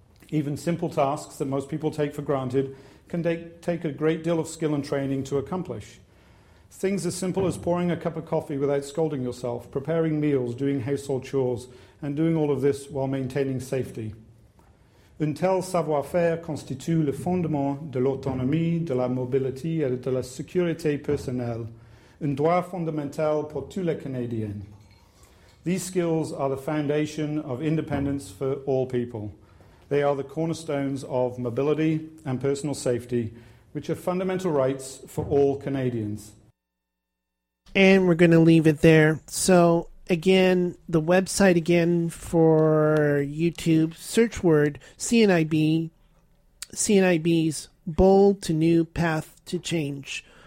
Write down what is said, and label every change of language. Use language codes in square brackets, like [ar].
[en] Even simple tasks that most people take for granted can take a great deal of skill and training to accomplish. Things as simple as pouring a cup of coffee without scalding yourself, preparing meals, doing household chores, and doing all of this while maintaining safety. [fr] Un tel savoir-faire constitue le fondement de l'autonomie, de la mobilité et de la sécurité personnelle, un droit fondamental pour tous les Canadiens. [en] These skills are the foundation of independence for all people. They are the cornerstones of mobility and personal safety, which are fundamental rights for all Canadians. And we're going to leave it there. So again, the website again for YouTube, search word CNIB, CNIB's Bold to New Path to Change.